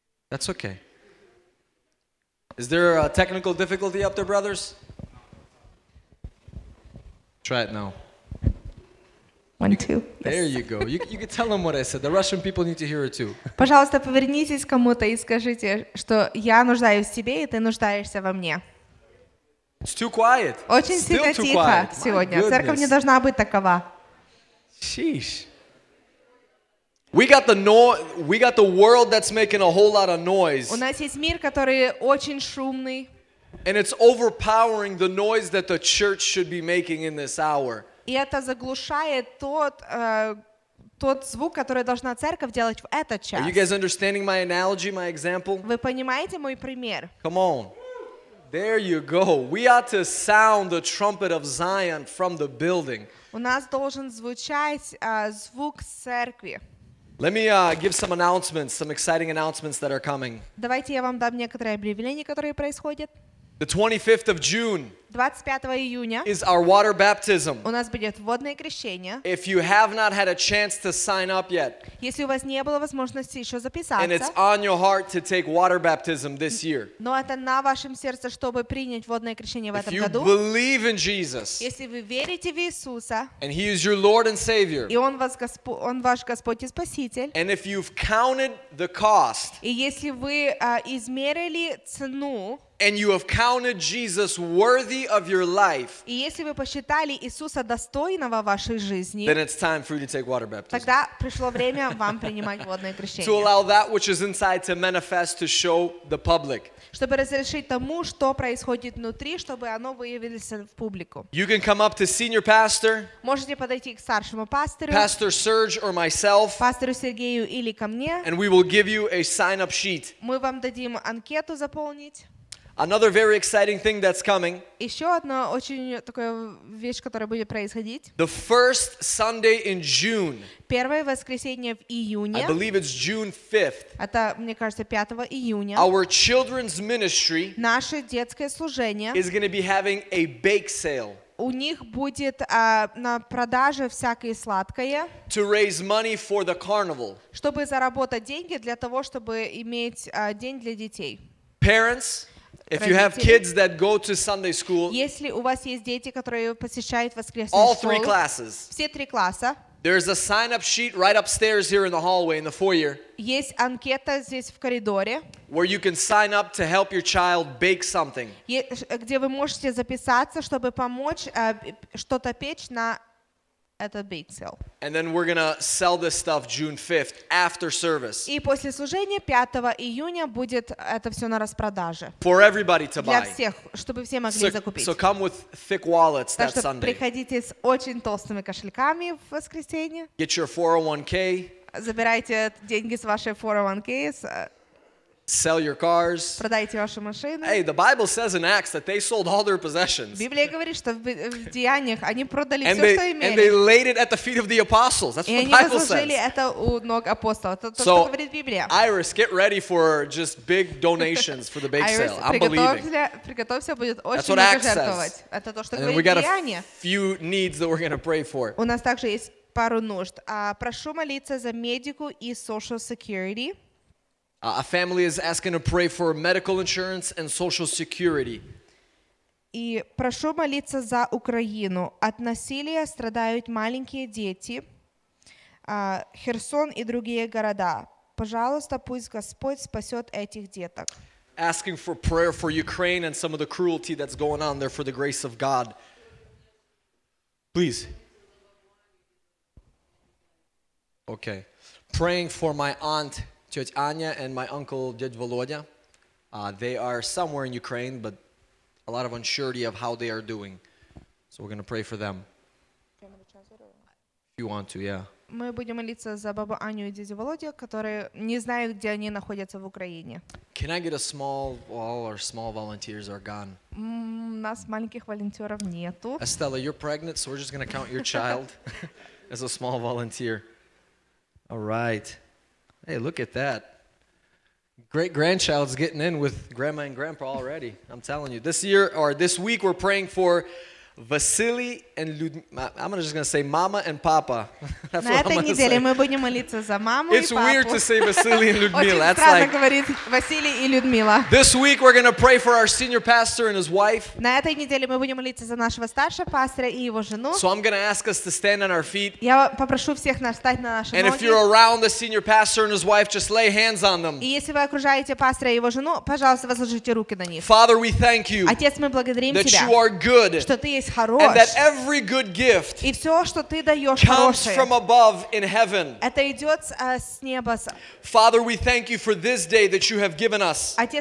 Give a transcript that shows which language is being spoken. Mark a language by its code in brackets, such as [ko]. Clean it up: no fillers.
[en] That's okay. Is there a technical difficulty up there, brothers? Try it now. One, two. There you go. You can tell them what I said. The Russian people need to hear it too. [ru] Пожалуйста, повернитесь к кому-то и скажите, что я нуждаюсь в тебе, и ты нуждаешься во мне. [en] It's too quiet. [ru] Очень сильно тихо сегодня. Церковь не должна быть такова. [en] Sheesh. We got the world that's making a whole lot of noise. [ru] У нас есть мир, который очень шумный. [en] And it's overpowering the noise that the church should be making in this hour. [ru] И это заглушает тот звук, который должна церковь делать в этот час. [en] Are you guys understanding my analogy, my example? [ru] Вы понимаете мой пример? [en] Come on. There you go. We ought to sound the trumpet of Zion from the building. [ru] У нас должен звучать звук церкви. [en] Let me give some announcements, some exciting announcements that are coming. [ru] Давайте я вам дам некоторые объявления, которые происходят. [en] The 25th of June. [ru] 25 июня. [en] Is our water baptism. [ru] У нас будет водное крещение. [en] If you have not had a chance to sign up yet. [ru] Если у вас не было возможности еще записаться. [en] And it's on your heart to take water baptism this year. [ru] Но это на вашем сердце, чтобы принять водное крещение в этом году. [en] If you believe in Jesus. [ru] Если вы верите в Иисуса. [en] And He is your Lord and Savior. [ru] И он ваш Господь и Спаситель. [en] And if you've counted the cost. [ru] И если вы измерили цену. [en] And you have counted Jesus worthy of your life. [ru] И если вы посчитали Иисуса достойного вашей жизни, [en] then it's time for you to take water baptism. [ru] Тогда пришло время вам принимать водное крещение. [en] To allow that which is inside to manifest to show the public. [ru] Чтобы разрешить тому, что происходит внутри, чтобы оно выявилось в публику. [en] You can come up to senior pastor. [ru] Можете подойти к старшему пастору. [en] Pastor Serge or myself. [ru] Пастору Сергею или ко мне. [en] And we will give you a sign-up sheet. [ru] Мы вам дадим анкету заполнить. [en] Another very exciting thing that's coming. [ru] Еще одна очень такая вещь, которая будет происходить. [en] The first Sunday in June. [ru] Первое воскресенье в июне. [en] I believe it's June 5th. [ru] Это, мне кажется, 5 июня. [en] Our children's ministry. [ru] Наше детское служение. [en] Is going to be having a bake sale. [ru] У них будет на продаже всякое сладкое. [en] To raise money for the carnival. [ru] Чтобы заработать деньги для того, чтобы иметь день для детей. [en] Parents. If you have kids that go to Sunday school, [ru] если у вас есть дети, которые посещают воскресную школу, [en] all three classes, [ru] все три класса, [en] there's a sign-up sheet right upstairs here in the hallway in the foyer. [ru] Есть анкета здесь в коридоре, [en] where you can sign up to help your child bake something. [ru] Где вы можете записаться, чтобы помочь что-то печь на этот [en] bake sale. And then we're gonna sell this stuff June 5th after service. [ru] И после служения 5 июня будет это все на распродаже. [en] For everybody to buy. [ru] Для всех, чтобы все могли закупить. [en] So come with thick wallets that Sunday. [ru] Так что приходите с очень толстыми кошельками в воскресенье. [en] Get your 401k. [ru] Забирайте деньги с вашей 401k. [en] Sell your cars. [ru] Продайте ваши машины. [en] Hey, the Bible says in Acts that they sold all their possessions. [ru] Библия говорит, что в Деяниях они продали все, что имели. [en] And they laid it at the feet of the apostles. That's what the Bible says. [ru] И они возложили это у ног апостолов. Это то, что говорит Библия. [en] Iris, get ready for just big donations for the bake sale. I'm believing. [ru] Приготовься, будет очень много жертвовать. Это то, что говорит Деяния. [en] And we got a few needs that we're going to pray for. [ru] У нас также есть пару нужд. Прошу молиться за медику и [en] social security. A family is asking to pray for medical insurance and social security. [ru] И прошу молиться за Украину. От насилия страдают маленькие дети. Херсон и другие города. Пожалуйста, пусть Господь спасет этих деток. [en] Asking for prayer for Ukraine and some of the cruelty that's going on there for the grace of God. Please. Okay. Praying for my aunt, [ru] Тетя Аня, [en] and my uncle, [ru] Дядь Володя. [en] They are somewhere in Ukraine, but a lot of uncertainty of how they are doing. So we're going to pray for them. If you want to, yeah. [ru] Мы будем молиться за бабу Аню и дядю Володю, которые не знают, где они находятся в Украине. [en] Can I get a small, all our small volunteers are gone. [ru] Нас маленьких волонтеров нету. [en] Estella, you're pregnant, so we're just going to count your child as a small volunteer. All right. Hey, look at that. Great-grandchild's getting in with grandma and grandpa already. I'm telling you. This year, or this week, we're praying for Vasily and Ludmila. I'm just going to say Mama and Papa. That's what I'm going to say. [ru] Мы будем молиться за маму и папу. [en] It's weird to say Vasily and Ludmila. That's like... [ru] говорит Василий и Людмила. [en] This week we're going to pray for our senior pastor and his wife. [ru] На этой неделе мы будем молиться за нашего старшего пастора и его жену. [en] So I'm going to ask us to stand on our feet. [ru] Я попрошу всех нас встать на наши ноги. [en] And if you're around the senior pastor and his wife, just lay hands on them. [ru] И если вы окружаете пастора и его жену, пожалуйста, возложите руки на них. [en] Father, we thank you. [ru] Отец, мы благодарим тебя. [en] That you are good. [ru] Что ты [en] And that every good gift comes from above in heaven. Father, we thank you for this day that you have given us.